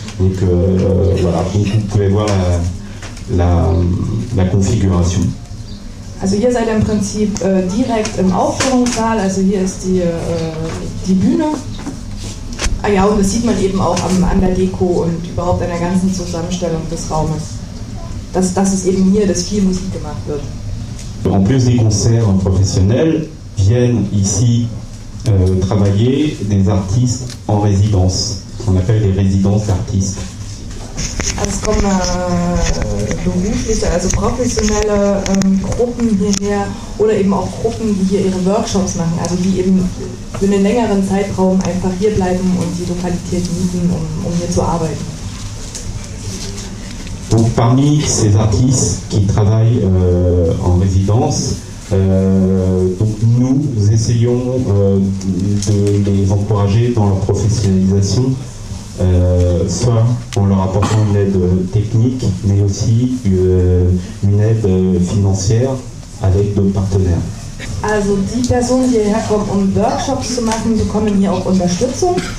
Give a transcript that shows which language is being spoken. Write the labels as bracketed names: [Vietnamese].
[French] Donc voilà, donc vous pouvez voir la configuration. [German] Also hier seid ihr im Prinzip direkt im Aufführungssaal, also hier ist die Bühne. Ah ja, und das sieht man eben auch an der Deko und überhaupt an der ganzen Zusammenstellung des Raumes. Das ist eben hier, dass viel Musik gemacht wird. [French] En plus des concerts professionnels viennent ici travailler des artistes en résidence, qu'on appelle des résidences d'artistes. [German] Es kommen berufliche, also professionelle Gruppen hierher oder eben auch Gruppen, die hier ihre Workshops machen, also die eben für einen längeren Zeitraum einfach hier bleiben und die Lokalität mieten, um hier zu arbeiten. [French] Donc parmi ces artistes qui travaillent en résidence, donc nous essayons de les encourager dans leur professionnalisation. Soit en leur apportant une aide technique, mais aussi une aide financière avec d'autres partenaires. [German] Also die Personen, die hierher kommen, um Workshops zu machen, bekommen hier auch Unterstützung.